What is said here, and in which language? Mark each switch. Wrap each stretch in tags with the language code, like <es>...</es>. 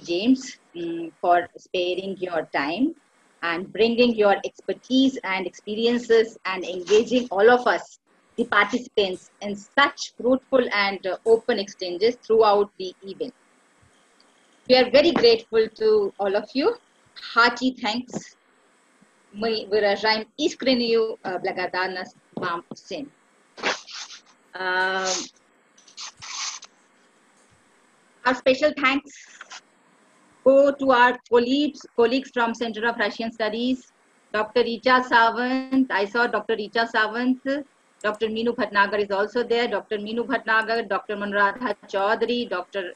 <en>James, for sparing your time and bringing your expertise and experiences and engaging all of us, the participants, in such fruitful and open exchanges throughout the evening. We are very grateful to all of you. Hearty thanks.</en> <ru>Мы выражаем искреннюю благодарность вам всем.</ru> <en>Our special thanks go to our colleagues from Center of Russian Studies, Dr. Richa Savant. I saw Dr. Richa Savant. Dr. Meenu Bhatnagar is also there. Dr. Meenu Bhatnagar, Dr. Manuradha Chaudhary, Dr.</en>